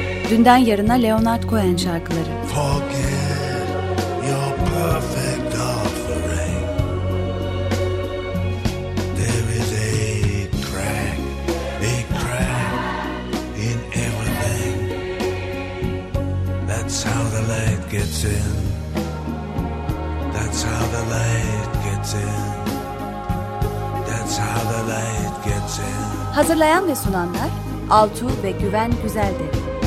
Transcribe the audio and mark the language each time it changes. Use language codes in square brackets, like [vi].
[tr] Dünden Yarına Leonard Cohen şarkıları. [en] Forget your perfect offering. There is a crack in everything. That's how the light gets in. That's how the light gets in. That's how the light gets in. [tr] Hazırlayan ve sunanlar Altuğ ve Güven Güzeldir.